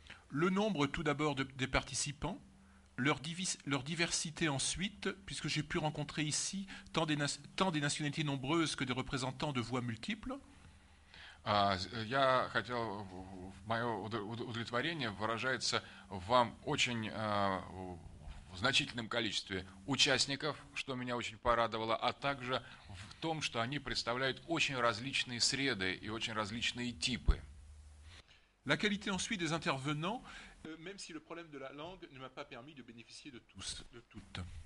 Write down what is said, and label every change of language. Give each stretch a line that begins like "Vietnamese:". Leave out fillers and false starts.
French: Le nombre tout d'abord des participants, leur diversité ensuite, puisque j'ai pu rencontrer ici tant des nationalités nombreuses que des représentants de voix multiples.
Russian: Я хотел, мое удовлетворение выражается вам очень в значительном количестве участников, что меня очень порадовало, а также в том, что они представляют очень различные среды и очень различные типы.
French: La qualité ensuite des intervenants, même si le problème de la langue ne m'a pas permis de bénéficier de tous, de toutes.